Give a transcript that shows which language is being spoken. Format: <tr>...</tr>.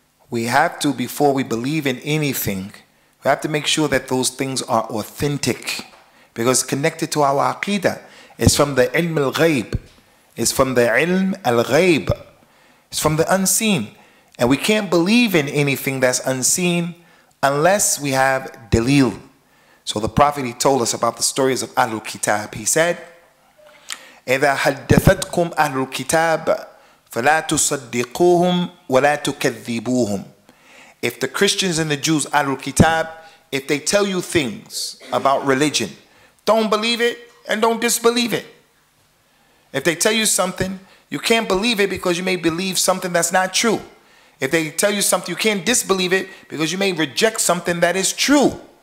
<en>We have to, before we believe in anything, we have to make sure that those things are authentic, because connected to our aqidah is from the ilm al-ghayb. It's from the ilm al-ghayb. It's from the unseen. And we can't believe in anything that's unseen unless we have dalil. So the Prophet, he told us about the stories of Ahlul Kitab. He said,</en> <ar>إِذَا حَدَّثَتْكُمْ أَهْلُ الْكِتَابِ فَلَا تُصَدِّقُوهُمْ وَلَا تُكَذِّبُوهُمْ.</ar> <en>If the Christians and the Jews, Ahlul Kitab, if they tell you things about religion, don't believe it and don't disbelieve it. If they tell you something, you can't believe it because you may believe something that's not true. If they tell you something, you can't disbelieve it because you may reject something that is true.</en>